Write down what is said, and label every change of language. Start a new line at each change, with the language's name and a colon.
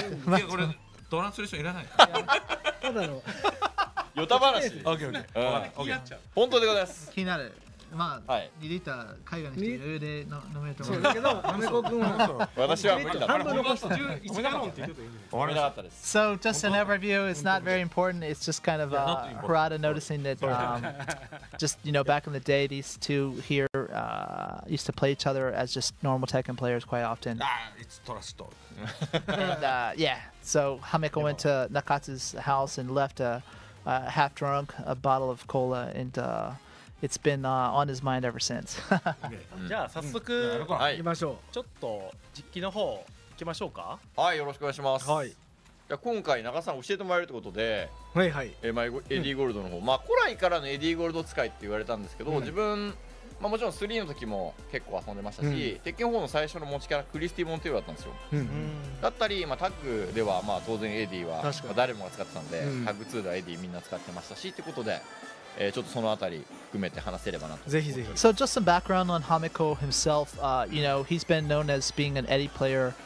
Japanese: まあ、これトランスレーションいらない。ただの。ヨタ話。オッケーオッケー。本当でございます。気になる。まあ、はい、 2リッター海外の人余裕で飲めると思うんだけど、アメコ君は私は無理だ。半分残した。 10ガロンって言うといいんだよね。
English: So just an overview. It's not very important. It's just kind of Harada noticing that just you know back in the day these two here used to play each other as just normal Tekken players quite often. Ah, it's trust. And yeah, so Hameko went to Nakatsu's house and left a half drunk a bottle of cola and. It's been on his mind ever since.
Japanese: じゃあ早速、うん、行きましょう、はい、ちょっと実機の方行きましょうか。はい、よろしくお願いします、はい、じゃあ今回中さん教えてもらえるということで、はいはい、まあ、エディーゴールドの方、うん、まあ古来からのエディーゴールド使いって言われたんですけど、うん、自分、まあ、もちろん3の時も結構遊んでましたし、うん、鉄拳4の最初の持ちキャラクリスティ・モンテールだったんですよ、うん、だったり、まあ、タッグではまあ当然エディは、まあ、誰もが使ってたんで、うん、タッグ2ではエディみんな使ってましたしってことで、ちょっとそのあたり含めて話せればなと。ぜひぜひ。
English: So just some background on Hameko himself. You know, he's been known as being an Eddie player.